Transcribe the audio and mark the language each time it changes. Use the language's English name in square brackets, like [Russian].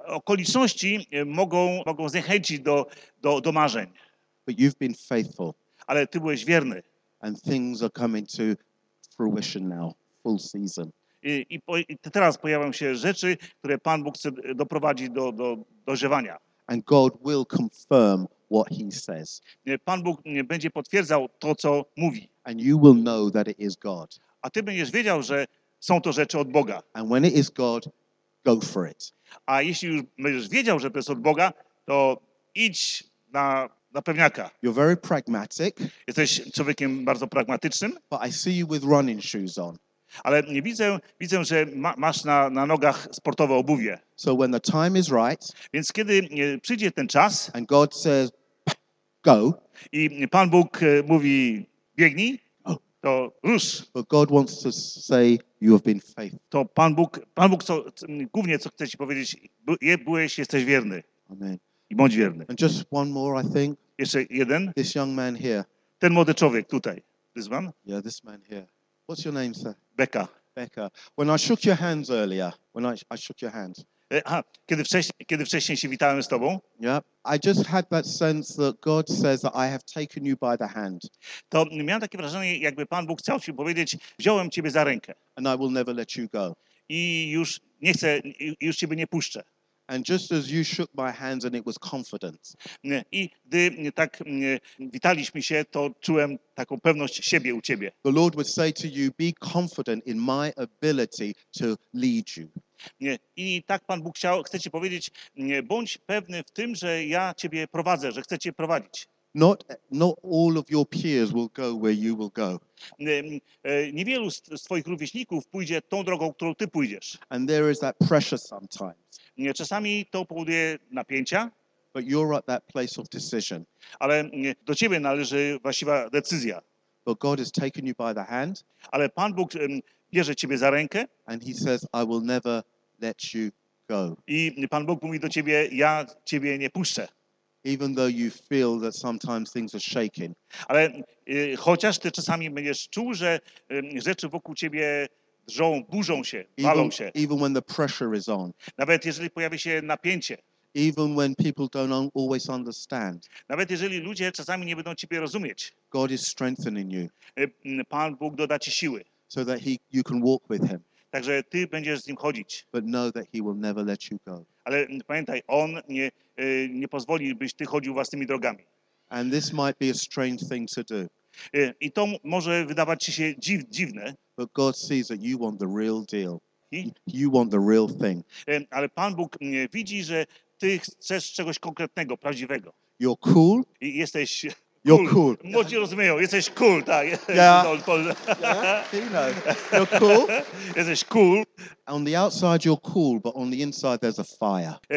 [Polish] Okoliczności mogą zniechęcić do marzeń. [English] But you've been faithful. [Polish] Ale ty byłeś wierny. [English] And things are coming to fruition now, full season. [Polish] I teraz pojawią się rzeczy, które Pan Bóg chce doprowadzić do dożywania. [English] And God will confirm what he says. [Polish] Pan Bóg będzie potwierdzał to, co mówi. [English] And you will know that it is God. [Polish] A ty będziesz wiedział, że są to rzeczy od Boga. [English] And when it is God, go for it. [Polish] A jeśli już będziesz wiedział, że to jest od Boga, to idź na pewniaka. [English] You're very pragmatic. [Polish] Jesteś człowiekiem bardzo pragmatycznym. [English] But I see you with running shoes on. [Polish] Ale nie widzę, że masz na nogach sportowe obuwie. [English] So when the time is right, [Polish] więc kiedy przyjdzie ten czas, [English] and God says, go, [Polish] i Pan Bóg mówi, biegnij, go, to rusz. [English] But God wants to say, you have been faithful. [Polish] To Pan Bóg głównie co chce ci powiedzieć, jesteś wierny. Amen. I bądź wierny. [English] And just one more, I think. [Polish] Jeszcze jeden. [English] This young man here. [Polish] Ten młody człowiek tutaj. [English] This man? Yeah, this man here. What's your name, sir? Becca. Becca. When I shook your hands earlier, when I shook your hands. [Polish] Kiedy wcześniej się witałem z tobą. [English] Yeah. I just had that sense that God says that I have taken you by the hand. [Polish] To miałem takie wrażenie, jakby Pan Bóg chciał ci powiedzieć, wziąłem ciebie za rękę. [English] And I will never let you go. [Polish] I już nie chcę, już ciebie nie puszczę. [English] And just as you shook my hands and it was confidence. [Polish] I gdy tak witaliśmy się, to czułem taką pewność siebie u ciebie. [English] The Lord would say to you, be confident in my ability to lead you. [Polish] I tak Pan Bóg chce ci powiedzieć, bądź pewny w tym, że ja ciebie prowadzę, że chcę cię prowadzić. [English] Not all of your peers will go where you will go. [Polish] Niewielu z twoich rówieśników pójdzie tą drogą, którą ty pójdziesz. [English] And there is that pressure sometimes. [Polish] Czasami to powoduje napięcia. [English] But you're at that place of decision. [Polish] Ale do ciebie należy właściwa decyzja. [English] But God has taken you by the hand. [Polish] Ale Pan Bóg bierze ciebie za rękę. [English] And he says, I will never let you go. [Polish] I Pan Bóg mówi do ciebie, ja ciebie nie puszczę. [English] Even though you feel that sometimes things are shaking. [Polish] Ale chociaż ty czasami będziesz czuł, że rzeczy wokół ciebie drżą, burzą się, walą się. [English] Even when the pressure is on. [Polish] Nawet jeżeli pojawi się napięcie. [English] Even when people don't always understand. [Polish] Nawet jeżeli ludzie czasami nie będą ciebie rozumieć. [English] God is strengthening you. [Polish] Pan Bóg doda ci siły. [English] So that you can walk with him. [Polish] Także ty będziesz z nim chodzić. [English] But know that he will never let you go. [Polish] Ale pamiętaj, on nie pozwoli, byś ty chodził własnymi drogami. [English] And this might be a strange thing to do. [Polish] I to może wydawać ci się dziwne. [English] But God sees that you want the real deal. You want the real thing. [Polish] Ale Pan Bóg widzi, że ty chcesz czegoś konkretnego, prawdziwego. [English] You're cool. [Polish] I jesteś [English] You're cool. [Polish] Młodzi rozumieją, jesteś cool, tak. [English] You're cool. [Polish] Jesteś cool. [English] On the outside you're cool, but on the inside there's a fire.